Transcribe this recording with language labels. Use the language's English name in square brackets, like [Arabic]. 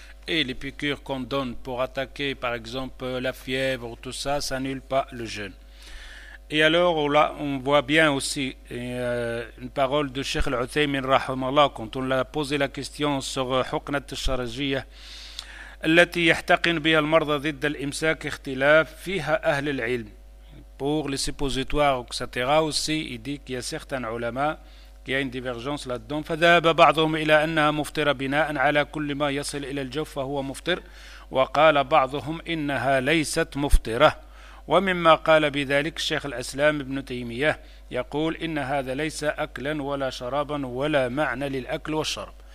[French] Et les piqûres qu'on donne pour attaquer par exemple la fièvre ou tout ça, ça annule pas le jeûne. Et alors là on voit bien aussi une parole de Cheikh Al-Uthaymin rahimahullah quand on l'a posé la question sur Huknat al-Sharajiyah. [Arabic] التي يحتقن بها المرضى ضد الإمساك اختلاف فيها أهل العلم. [French] Pour les suppositoires, etc. Aussi, il dit qu'il y a certains ulama qui ont une divergence là-dedans. [Arabic] فذهب بعضهم إلى أنها مفطرة بناء على كل ما يصل إلى الجوف فهو مفطر. وقال بعضهم إنها ليست مفطرة. ومما قال بذلك الشيخ الإسلام ابن تيمية يقول إن هذا ليس أكلا ولا شرابا ولا معنى للأكل والشرب.